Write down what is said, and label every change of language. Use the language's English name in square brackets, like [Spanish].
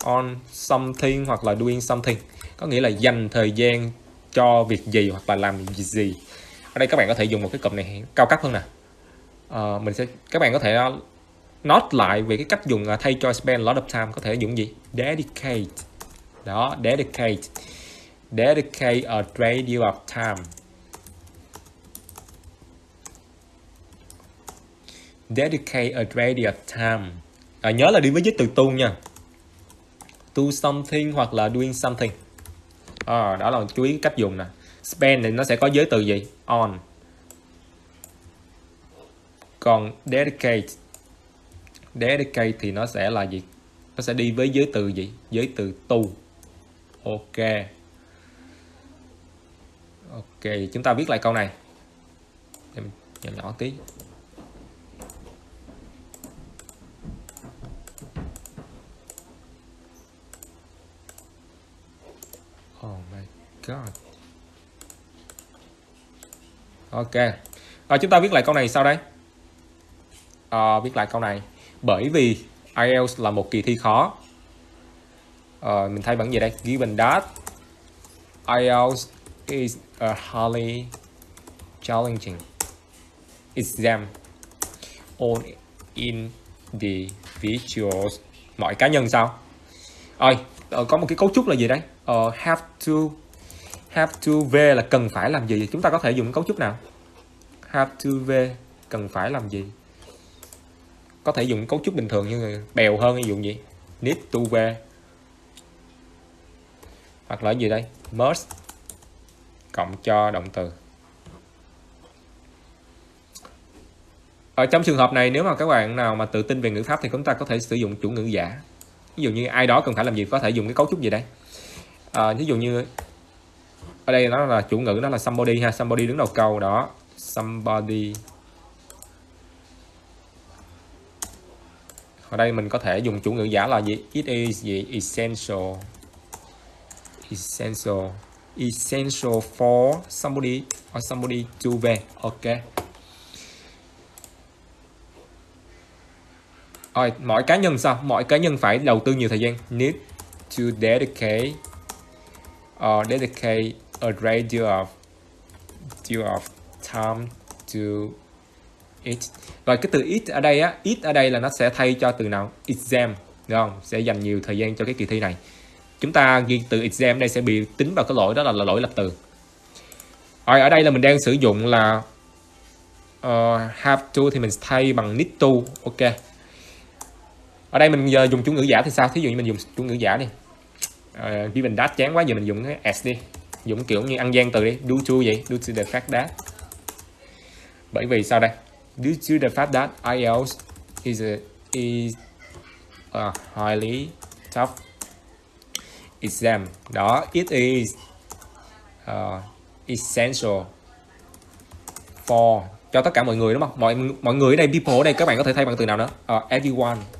[English] On something [Vietnamese] hoặc là [English] doing something. [Vietnamese] Có nghĩa là dành thời gian cho việc gì hoặc là làm gì. Ở đây các bạn có thể dùng một cái cụm này cao cấp hơn nè. Các bạn có thể nốt lại về cái cách dùng thay cho [English] spend a lot of time. [Vietnamese] Có thể dùng gì? [English] Dedicate. Đó, dedicate. Dedicate a great deal of time. Dedicate a great deal of time. [Vietnamese] Nhớ là đi với giới từ to nha. [English] do something [Vietnamese] hoặc là [English] doing something. [Vietnamese] Đó là chú ý cách dùng nè. Spend thì nó sẽ có giới từ gì? [English] On. [Vietnamese] Còn dedicate. Dedicate thì nó sẽ là gì? Nó sẽ đi với giới từ gì? Giới từ to. Ok. Ok, chúng ta viết lại câu này. Để mình nhỏ nhỏ tí. God. Ok. Chúng ta viết lại câu này sau đây. Viết lại câu này. Bởi vì IELTS là một kỳ thi khó. Mình thay bằng gì đây? [English] Given that IELTS is a highly challenging exam on individuals. [Vietnamese] Mọi cá nhân sao? Có một cái cấu trúc là gì đây? Have to V là cần phải làm gì? Chúng ta có thể dùng cấu trúc nào? Have to V cần phải làm gì? Có thể dùng cấu trúc bình thường như bèo hơn hay dùng gì? Need to V. Hoặc là gì đây? Must cộng cho động từ. Ở trong trường hợp này, nếu mà các bạn nào mà tự tin về ngữ pháp thì chúng ta có thể sử dụng chủ ngữ giả. Ví dụ như ai đó cần phải làm gì, có thể dùng cái cấu trúc gì đây? Ví dụ như ở đây nó là chủ ngữ, nó là somebody ha, somebody đứng đầu câu đó, somebody. Ở đây mình có thể dùng chủ ngữ giả là gì? [English] It is gì? Essential. Essential. Essential for somebody or somebody to be. Ok. [Vietnamese] Rồi, mỗi cá nhân sao? Mỗi cá nhân phải đầu tư nhiều thời gian. [English] Need to dedicate dedicate a great deal of time to it. [Vietnamese] Rồi cái từ it ở đây á, it ở đây là nó sẽ thay cho từ nào? Exam, được không? Sẽ dành nhiều thời gian cho cái kỳ thi này. Chúng ta ghi từ exam đây sẽ bị tính vào cái lỗi đó là lỗi lập từ. Rồi ở đây là mình đang sử dụng là have to thì mình thay bằng need to. Ok. Ở đây mình giờ dùng chủ ngữ giả thì sao? Thí dụ như mình dùng chủ ngữ giả đi. [English] Given that [Vietnamese] chán quá giờ mình dùng cái as đi. Dùng kiểu như ăn gian từ đi, due to vậy, [English] due to the fact that. [Vietnamese] Bởi vì sao đây? [English] Due to the fact that IELTS is a highly tough exam. [Vietnamese] Đó, [English] it is essential for [Vietnamese] cho tất cả mọi người đúng không? Mọi mọi người ở đây, people ở đây các bạn có thể thay bằng từ nào nữa? Everyone.